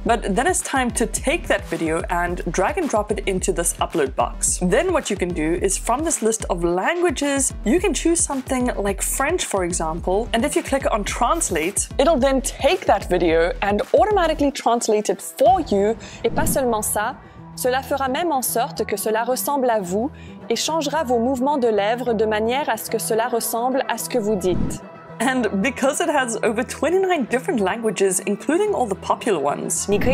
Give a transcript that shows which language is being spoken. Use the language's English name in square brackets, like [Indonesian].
[English] But then it's time to take that video and drag and drop it into this upload box. Then what you can do is from this list of languages, you can choose something like French, for example, and if you click on translate, it'll then take that video and automatically translate it for you. [French] Et pas seulement ça, cela fera même en sorte que cela ressemble à vous et changera vos mouvements de lèvres de manière à ce que cela ressemble à ce que vous dites. [English] And because it has over 29 different languages, including all the popular ones.